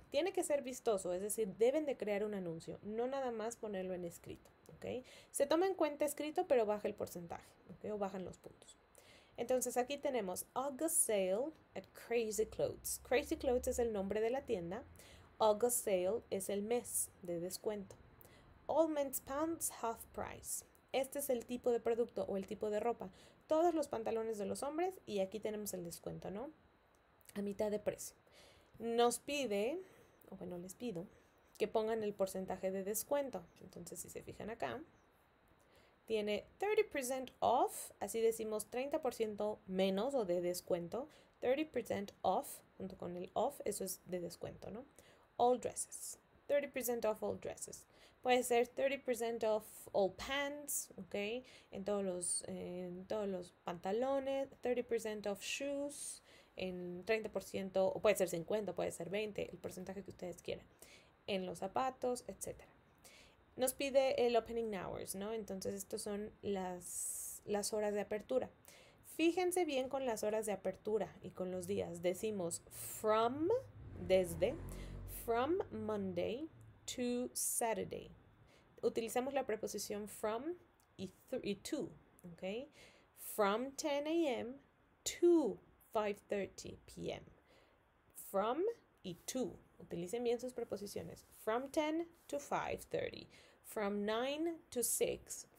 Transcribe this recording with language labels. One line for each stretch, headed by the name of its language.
Spanish: Tiene que ser vistoso, es decir, deben de crear un anuncio, no nada más ponerlo en escrito. ¿Okay? Se toma en cuenta escrito, pero baja el porcentaje, ¿okay? O bajan los puntos. Entonces aquí tenemos
English: August Sale
Spanish: at Crazy Clothes. Crazy Clothes es el nombre de la tienda. August Sale es el mes de descuento.
English: All men's pants half price.
Spanish: Este es el tipo de producto o el tipo de ropa. Todos los pantalones de los hombres y aquí tenemos el descuento, ¿no? A mitad de precio. Nos pide, o bueno, les pido, que pongan el porcentaje de descuento. Entonces, si se fijan acá, tiene
English: 30% off,
Spanish: así decimos 30% menos o de descuento. 30% off, junto con el off, eso es de descuento, ¿no?
English: All dresses. 30% off all dresses. Puede ser 30% off all pants, ¿ok?
Spanish: En todos los pantalones.
English: 30% off shoes.
Spanish: En 30%, o puede ser 50, puede ser 20, el porcentaje que ustedes quieran. En los zapatos, etc. Nos pide el
English: opening hours,
Spanish: ¿no? Entonces, estos son las horas de apertura. Fíjense bien con las horas de apertura y con los días. Decimos from, desde.
English: From Monday to Saturday.
Spanish: Utilizamos la preposición from y to, ¿okay?
English: From 10 a.m. to 5:30 p.m.
Spanish: From y to. Utilicen bien sus preposiciones.
English: From 10 to 5:30. From 9 to 6.